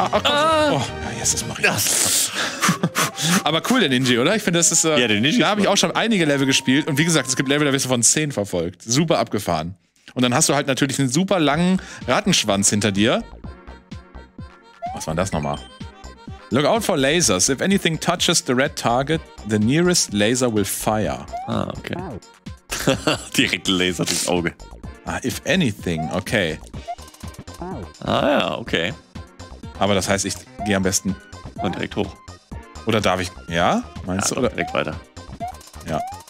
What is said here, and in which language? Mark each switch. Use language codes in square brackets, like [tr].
[de] Ah, oh, ah. Oh, ja, jetzt ist Maria. Aber cool, der Ninja, oder? Ich finde, das ist. Ja, der Ninja. Da habe ich auch schon einige Level gespielt. Und wie gesagt, es gibt Level, da wirst du von 10 verfolgt. Super abgefahren. Und dann hast du halt natürlich einen super langen Rattenschwanz hinter dir. Was war denn das nochmal? [en] Look out for lasers. If anything touches the red target, the nearest laser will fire. Ah, okay. [de] Direkt Laser durchs Auge. [en] Ah, if anything, okay. [de] Ah ja, okay. Aber das heißt, ich gehe am besten... Und direkt hoch. Oder darf ich... Ja? Meinst du? Oder direkt weiter. Ja.